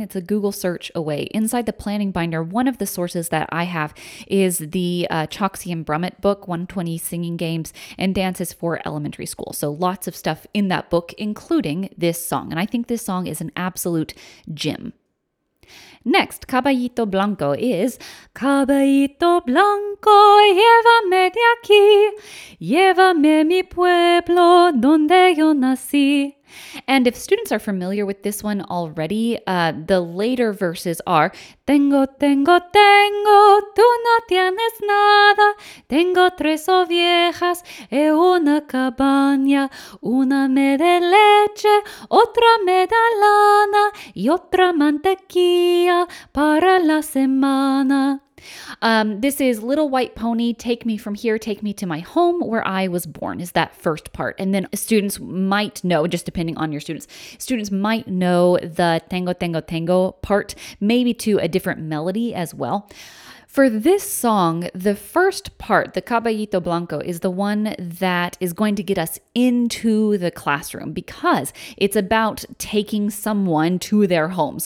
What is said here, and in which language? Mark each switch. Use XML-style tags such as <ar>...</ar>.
<en>It's a Google search away. Inside the planning binder, one of the sources that I have is the Choksi and Brummett book, 120 Singing Games and Dances for Elementary School. So lots of stuff in that book, including this song. And I think this song is an absolute gem.</en> <es>Next, Caballito Blanco is Caballito Blanco, llévame de aquí, llévame mi pueblo donde yo nací.</es> <en>And if students are familiar with this one already, the later verses are</en> <es>Tengo, tengo, tengo, tú no tienes nada. Tengo tres ovejas y una cabaña. Una me da leche, otra me da lana y otra mantequilla para la semana.</es> <en>This is Little White Pony, take me from here, take me to my home where I was born, is that first part. And then students might know, just depending on your students, students might know the tango, tango, tango part, maybe to a different melody as well. For this song, the first part, the Caballito Blanco, is the one that is going to get us into the classroom because it's about taking someone to their home.</en>